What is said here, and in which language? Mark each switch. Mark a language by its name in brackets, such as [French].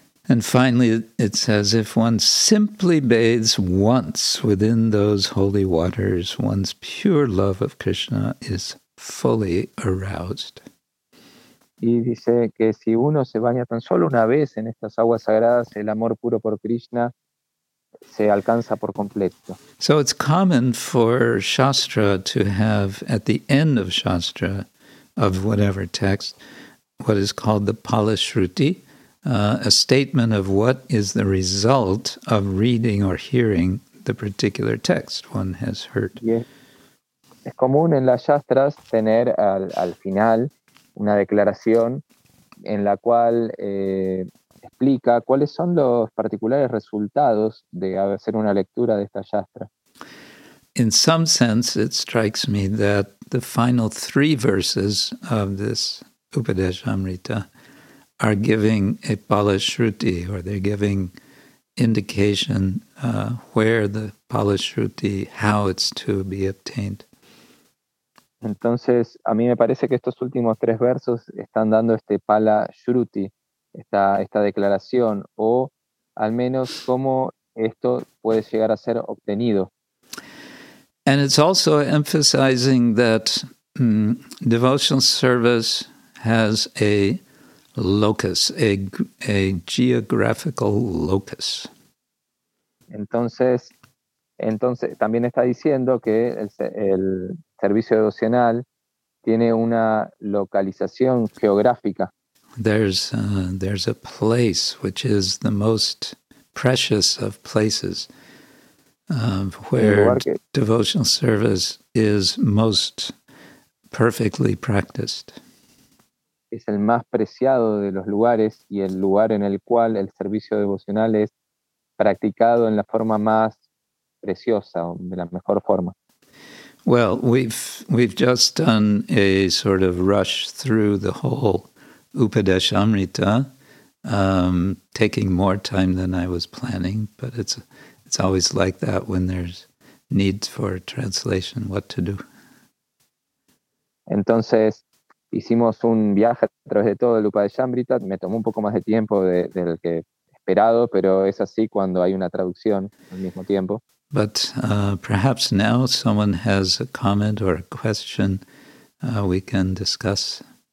[English] And finally it says, if one simply bathes once within those holy waters, one's pure love of Krishna is fully aroused. [Spanish] Y dice que si uno se baña tan solo una vez en estas aguas sagradas, el amor puro por Krishna se alcanza por completo. [English] So it's common for Shastra to have at the end of Shastra of whatever text what is called the Pala Shruti, a statement of what is the result of reading or hearing the particular text one has heard. Yes. [Spanish] Es común en las Shastras tener al final una declaración en la cual explica cuáles son los particulares resultados de hacer una lectura de esta yastra. [English] In some sense, it strikes me that the final three verses of this Upadeshamrita are giving a Pala Shruti, or they're giving indication where the Pala Shruti, how it's to be obtained. [Spanish] Entonces, a mí me parece que estos últimos tres versos están dando este Pala Shruti, esta declaración, o al menos cómo esto puede llegar a ser obtenido. [English] And it's also emphasizing that devotional service has a locus, a geographical locus. [Spanish] Entonces también está diciendo que el servicio devocional tiene una localización geográfica. [English] There's a place which is the most precious of places where devotional service is most perfectly practiced. [Spanish] Es el más preciado de los lugares y el lugar en el cual el servicio devocional es practicado en la forma más preciosa o de la mejor forma. [English] Well, we've just done a sort of rush through the whole Upadeshamrita, taking more time than I was planning, but it's always like that when there's need for translation, what to do. [Spanish] Entonces, hicimos un viaje a través de todo el Upadeshamrita, me tomó un poco más de tiempo del que esperado, pero es así cuando hay una traducción al mismo tiempo. [English] But perhaps now someone has a comment or a question we can discuss.